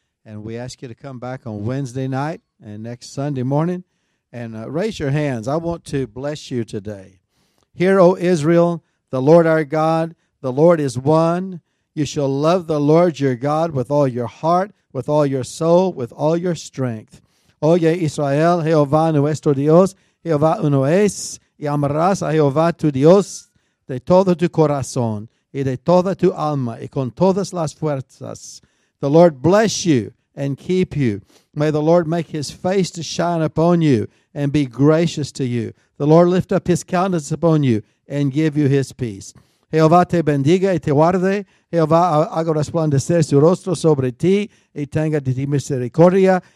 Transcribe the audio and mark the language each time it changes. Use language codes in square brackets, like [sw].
[en] And we ask you to come back on Wednesday night and next Sunday morning and raise your hands. I want to bless you today. Hear, O Israel, the Lord our God, the Lord is one. You shall love the Lord your God with all your heart, with all your soul, with all your strength. [es] Oye, Israel, Jehová nuestro Dios, Jehová uno es, y amarás a Jehová tu Dios de todo tu corazón y de toda tu alma y con todas las fuerzas. [en] The Lord bless you and keep you. May the Lord make his face to shine upon you and be gracious to you. The Lord lift up his countenance upon you and give you his peace. [es] Jehová te bendiga y te guarde. Jehová haga resplandecer su rostro sobre ti y tenga de ti misericordia.